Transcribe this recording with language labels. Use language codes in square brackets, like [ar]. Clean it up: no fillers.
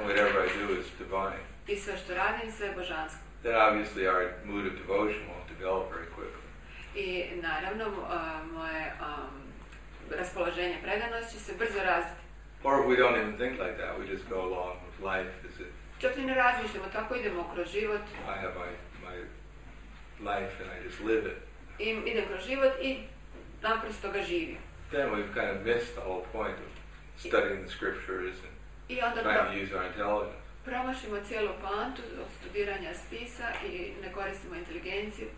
[en] And whatever I do is divine. [hr] I sve što radim sve je božansko. [en] Then obviously our mood of devotion will develop very quickly. [hr] I naravno moje raspoloženje predanosti će se brzo razviti. [en] Or we don't even think like that, we just go along with life, is it? [hr] Čak ne razmišljamo, tako idemo kroz život. [en] I have my life and I just live it. [hr] I idem kroz život i naprosto ga živim. [en] Then we've kind of missed the whole point of studying the scriptures and trying to use our intelligence. [hr] Promašimo cijelu pantu od studiranja spisa i ne koristimo inteligenciju.